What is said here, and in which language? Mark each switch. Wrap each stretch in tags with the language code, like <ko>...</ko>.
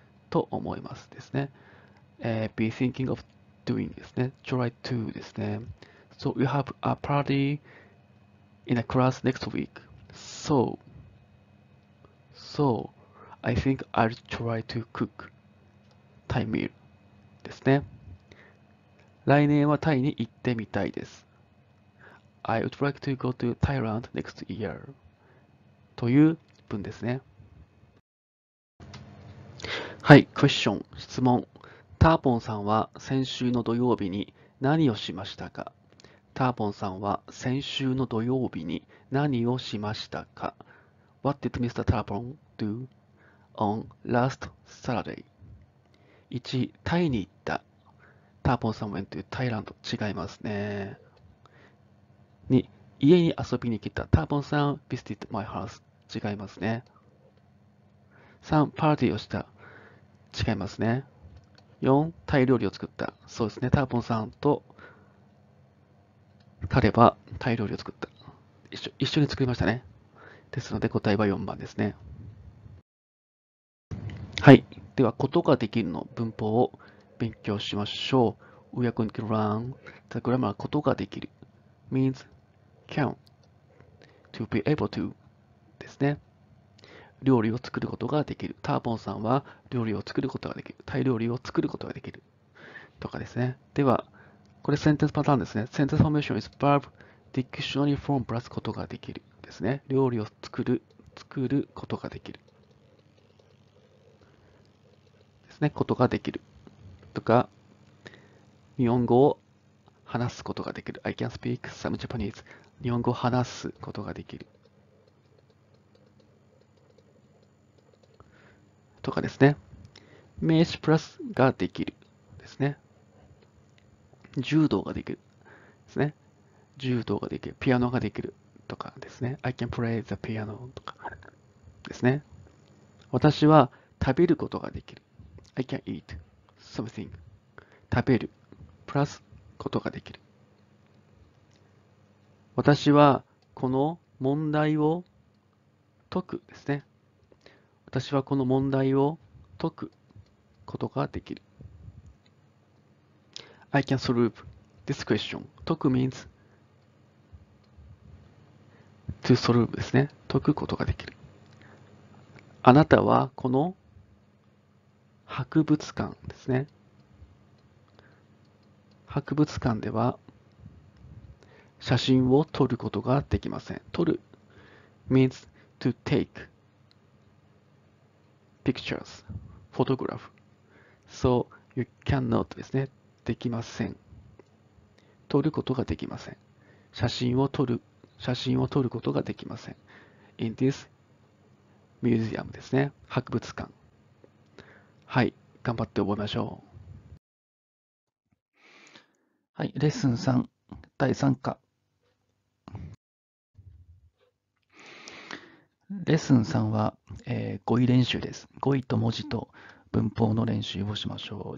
<ja>と思いますですね。</ja> <en>be thinking of doing ですね。 try to ですね。 So, we have a party in a class next week. So, I think I'll try to cook Thai meal ですね。</en> <ja>来年はタイに行ってみたいです。</ja> <en>I would like to go to Thailand next year.</en> <ja>という文ですね。はい、クエスチョン、質問。ターポンさんは先週の土曜日に何をしましたか？ターポンさんは先週の土曜日に何をしましたか ?</ja> <en>What did Mr. Tarpon do on last Saturday?</en> <ja>1. タイに行った。</ja> <en>ターポンさん went to Thailand.</en> <ja>違いますね。に、家に遊びに来た。</ja> <en>ターポンさん visited my house.</en> <ja>違いますね。3. パーティーをした。違いますね。4. タイ料理を作った。そうですね。ターポンさんと彼はタイ料理を作った。一緒に作りましたね。ですので答えは4番ですね。はい、ではことができるの文法を勉強しましょう。</ja> <en>We are going to learn the grammar ことができる means can to be able to ですね。</en> <ja>料理を作ることができる。ターボンさんは料理を作ることができる。タイ料理を作ることができるとかですね。ではこれセンテンスパターンですね。センテンスフォーメーション</ja> <en>is verb dictionary form plus</en> <ja>ことができるですね。料理を作ることができるですね。ことができるとか、日本語を話すことができる。</ja> <en>I can speak some Japanese。</en> <ja>日本語を話すことができるとかですね。名詞プラスができるですね。柔道ができるですね。柔道ができる。ピアノができるとかですね。</ja> <en>I can play the piano とかですね。</en> <ja>私は食べることができる。</ja> <en>I can eat something。</en> <ja>食べるプラスことができる。私はこの問題を解くですね。私はこの問題を解くことができる。</ja> <en>I can solve this question. 解く means to solve ですね。</en> <ja>解くことができる。あなたはこの博物館ですね。博物館では写真を撮ることができません。</ja> <en>撮る means to take pictures, photograph. So you cannot ですね。</en> <ja>できません。撮ることができません。写真を撮ることができません。</ja> <en>In this museum ですね。</en> <ja>博物館。はい。頑張って覚えましょう。はい、レッスン3、第3課。レッスン3は、語彙練習です。語彙と文字と文法の練習をしましょう。</ja>